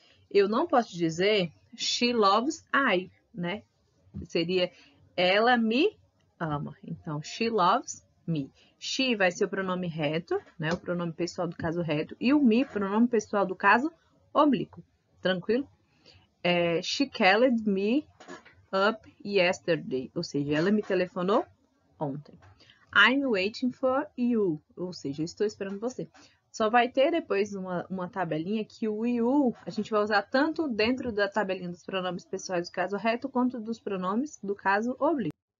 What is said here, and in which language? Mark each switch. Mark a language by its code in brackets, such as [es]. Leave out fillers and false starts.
[pt] Eu não posso dizer [en] she loves I, [pt] né? Seria ela me ama. Então, [en] she loves me. [pt] She vai ser o pronome reto, né? O pronome pessoal do caso reto. E o me, pronome pessoal do caso oblíquo. Tranquilo? [en] She called me up yesterday. [pt] Ou seja, ela me telefonou ontem. [en] I'm waiting for you, [pt] ou seja, estou esperando você. Só vai ter depois uma tabelinha que o you a gente vai usar tanto dentro da tabelinha dos pronomes pessoais do caso reto quanto dos pronomes do caso oblíquo.